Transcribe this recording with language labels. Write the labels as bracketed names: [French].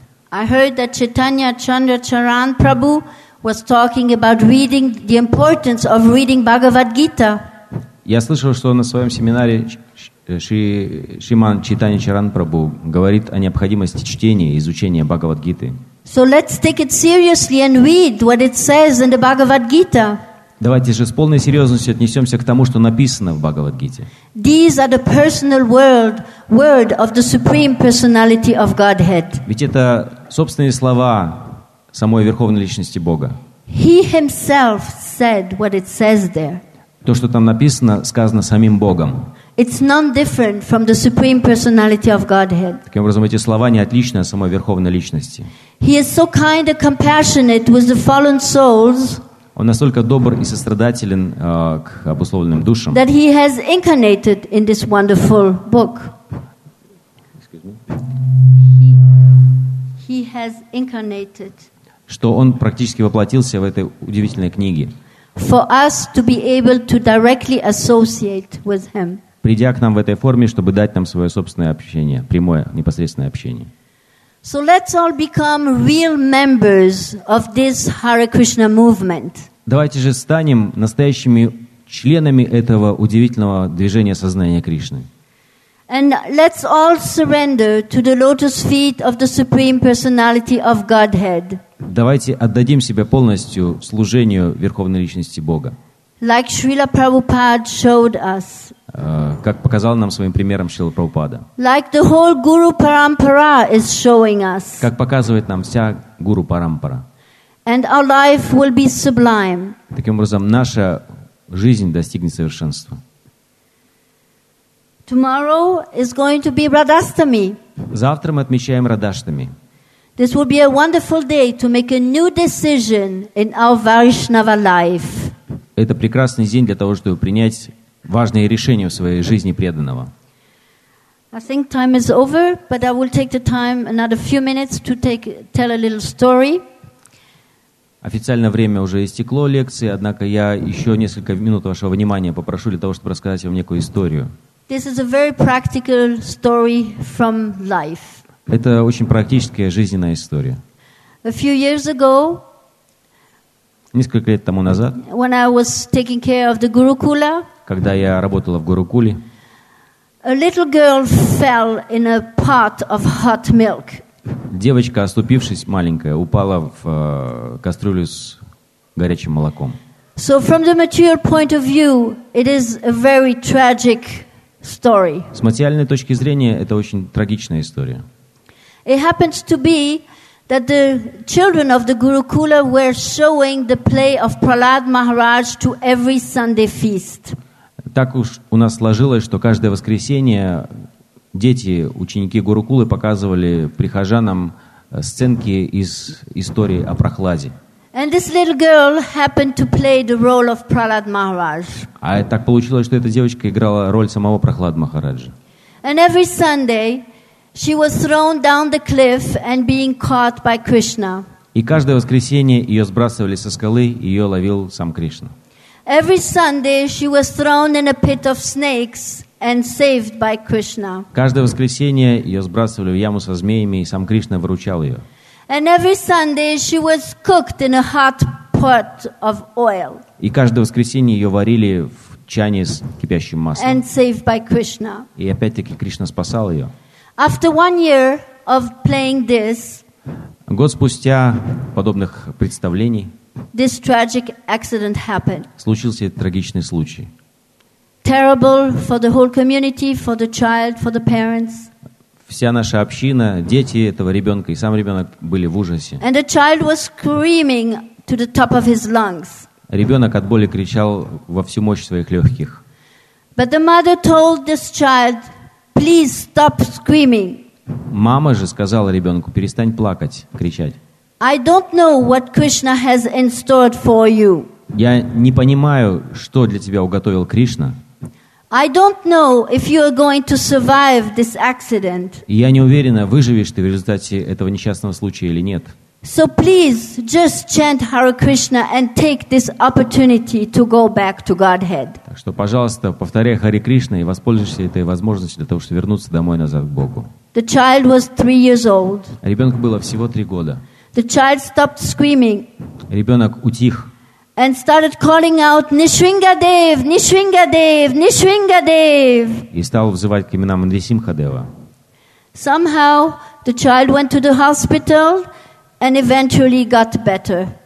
[English] I heard that Chaitanya Chandracharan Prabhu was talking about reading the importance of reading Bhagavad Gita. [Russian] Я слышал, что на своем семинаре Шриман Чайтанья Чаран Прабху говорит о необходимости чтения и изучения Бхагавад-гиты. [English] So let's take it seriously and read what it says in the Bhagavad-gita. [Russian] Давайте же с полной серьезностью отнесемся к тому, что написано в Бхагавад-гите. [English] These are the personal word of the Supreme Personality of Godhead. [Russian] Ведь это собственные слова самой Верховной Личности Бога. [English] He himself said what it says there. [Russian] То, что там написано, сказано самим Богом. [English] It's none different from the Supreme Personality of Godhead. [Russian] Таким образом, эти слова не отличны от самой Верховной Личности. [English] He is so kind and compassionate with the fallen souls. [Russian] Он настолько добр и сострадателен к обусловленным душам. [English] That he has incarnated in this wonderful book. Excuse me. He has incarnated. [Russian] Что он практически воплотился в этой удивительной книге. [English] For us to be able to directly associate with him. [Russian] Придя к нам в этой форме, чтобы дать нам свое собственное общение, прямое, непосредственное общение. [English] So let's all become real members of this Hare Krishna movement. [Russian] Давайте же станем настоящими членами этого удивительного движения сознания Кришны. [English] And let's all surrender to the lotus feet of the Supreme Personality of Godhead. [Russian] Давайте отдадим себя полностью служению Верховной Личности Бога. [English] Like Srila Prabhupada showed us. [Russian] Как показал нам своим примером Шрила Прабхупада. [English] Like the whole Guru Parampara is showing us. [Russian] Как показывает нам вся Гуру Парампара. [English] And our life will be sublime. [Russian] Таким образом, наша жизнь достигнет совершенства. [English] Tomorrow is going to be Radhashtami. [Russian] Завтра мы отмечаем Радхаштами. [English] This will be a wonderful day to make a new decision in our Vaishnava life. [Russian] Это прекрасный день для того, чтобы принять важные решения в своей жизни преданного. [English] I think time is over, but I will take the time another few minutes to tell a little story. [Russian] Официально время уже истекло лекции, однако я еще несколько минут вашего внимания попрошу для того, чтобы рассказать вам некую историю. [English] This is a very practical story from life. [Russian] Это очень практическая жизненная история. [English] A few years ago, [Russian] несколько лет тому назад, [English] when I was taking care of the Gurukula, [Russian] когда я работала в Гурукуле, [English] a little girl fell in a pot of hot milk. [Russian] Девочка, оступившись, маленькая, упала в кастрюлю с горячим молоком. [English] So from the material point of view, it is a very tragic story. [Russian] С материальной точки зрения, это очень трагичная история. [English] It happens to be that the children of the Gurukula were showing the play of Prahlad Maharaj to every Sunday feast. [Russian] Так уж у нас сложилось, что каждое воскресенье дети, ученики Гурукулы показывали прихожанам сценки из истории о Прохладе. [English] And this little girl happened to play the role of Prahlad Maharaj. [Russian] А так получилось, что эта девочка играла роль самого Прохлада Махараджи. [English] And every Sunday she was thrown down the cliff and being caught by Krishna. [Russian] И каждое воскресенье ее сбрасывали со скалы, ее ловил сам Кришна. [English] Every Sunday she was thrown in a pit of snakes and saved by Krishna. [Russian] Каждое воскресенье ее сбрасывали в яму со змеями, и сам Кришна выручал ее. [English] And every Sunday she was cooked in a hot pot of oil. [Russian] И каждое воскресенье ее варили в чане с кипящим маслом. [English] And saved by Krishna. [Russian] И опять-таки Кришна спасал ее. [English] After 1 year of playing this, [Russian] год спустя подобных представлений, [English] this tragic accident happened. [Russian] Случился трагичный случай. [English] Terrible for the whole community, for the child, for the parents. [Russian] Вся наша община, дети этого ребенка и сам ребенок были в ужасе. [English] And the child was screaming to the top of his lungs. [Russian] Ребенок от боли кричал во всю мощь своих легких. [English] But the mother told this child, please stop screaming. [Russian] Мама же сказала ребенку, перестань плакать, кричать. [English] I don't know what Krishna has in store for you. [Russian] Я не понимаю, что для тебя уготовил Кришна. [English] I don't know if you are going to survive this accident. [Russian] Я не уверена, выживешь ты в результате этого несчастного случая или нет. [English] So please just chant Hare Krishna and take this opportunity to go back to Godhead. [Russian] Так что, пожалуйста, повторяй Харе Кришна и воспользуйся этой возможностью для того, чтобы вернуться домой назад к Богу. [English] The child was 3 years old. [Russian] Ребенку было всего 3 года. [English] The child stopped screaming. [Russian] Ребенок утих. [English] And started calling out Nishringadev, Nishringadev, Nishringadev. [Russian] И стал взывать к именам Нрисимхадева. [English] Somehow the child went to the hospital and eventually got better.